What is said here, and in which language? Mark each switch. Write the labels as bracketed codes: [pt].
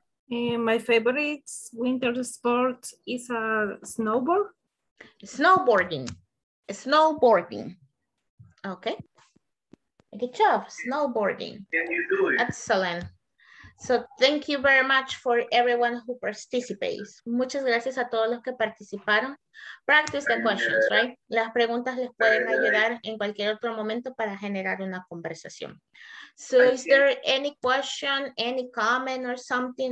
[en] My favorite winter sport is a snowboard. Snowboarding. Okay. Good job. Snowboarding. Can you do it? Excellent. So thank you very much for everyone who participates. [es] Muchas gracias a todos los que participaron. [en] Practice the questions, right? [es] Las preguntas les pueden ayudar en cualquier otro momento para generar una conversación. [en] So is there any question, any comment or something?